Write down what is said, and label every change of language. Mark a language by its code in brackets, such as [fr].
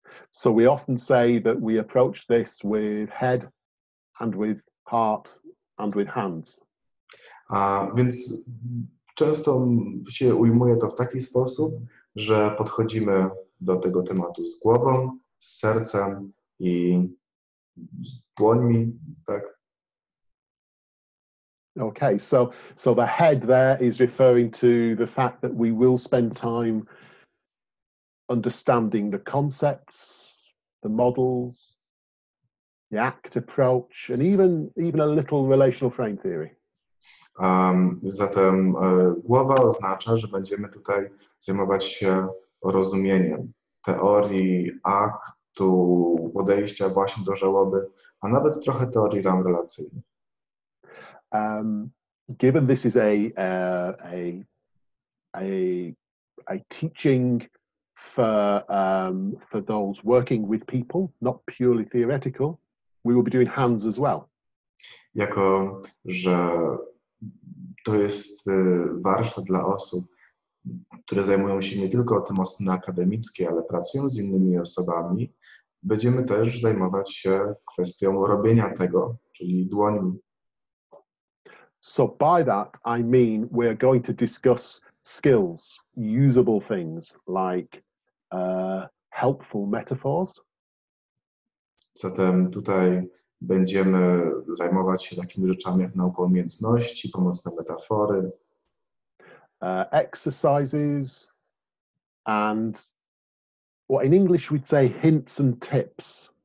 [en] So we often say that we approach this with head and with heart and with hands. [pl] A więc często się ujmuje to w taki sposób, że podchodzimy do tego tematu z głową, z sercem i z dłońmi, tak? [en] Okay, so the head there is referring to the fact that we will spend time understanding the concepts, the models, the ACT approach, and even a little relational frame theory. [pl] Zatem głowa oznacza, że będziemy tutaj zajmować się rozumieniem teorii aktu, podejścia właśnie do żałoby, a nawet trochę teorii ram relacyjnych. [en] Given this is a teaching for those working with people, not purely theoretical, we will be doing hands as well. [pl] Jako że to jest warsztat dla osób, które zajmują się nie tylko tym mocno akademickie, ale pracują z innymi osobami, będziemy też zajmować się kwestią robienia tego, czyli dłońmi. [en] So by that I mean we are going to discuss skills, usable things like helpful metaphors. [pl] Zatem tutaj będziemy zajmować się takimi rzeczami jak nauka umiejętności, pomocne metafory. [en] Exercises and what in English we'd say hints and tips.